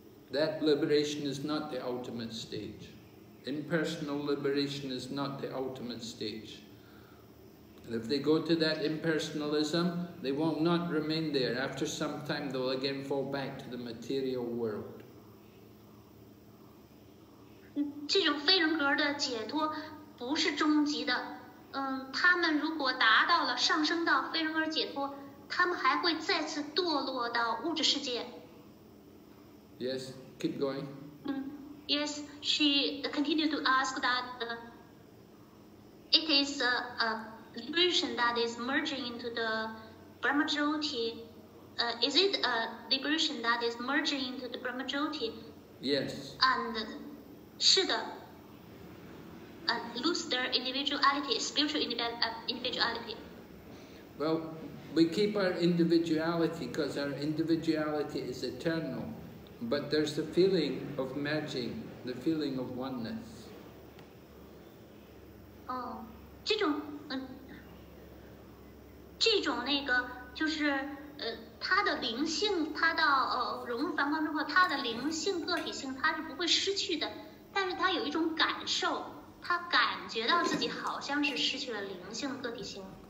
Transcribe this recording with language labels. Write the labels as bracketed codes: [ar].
[en] That liberation is not the ultimate stage. Impersonal liberation is not the ultimate stage. If they go to that impersonalism, they will not remain there. After some time, they will again fall back to the material world. [zh] 这种非人格的解脱不是终极的。他们如果达到了上升到非人格解脱，他们还会再次堕落到物质世界。 [en] Yes, keep going. Yes, she continued to ask that it is liberation that is merging into the Brahmajyoti, is it a liberation that is merging into the Brahmajyoti? Yes. And, [zh] 是的 [en] lose their individuality, spiritual individuality. Well, we keep our individuality because our individuality is eternal, but there's the feeling of merging, the feeling of oneness. [zh] Oh, 这种这种那个就是他的灵性他到融入梵光之后他的灵性个体性他是不会失去的但是他有一种感受他感觉到自己好像是失去了灵性的个体性。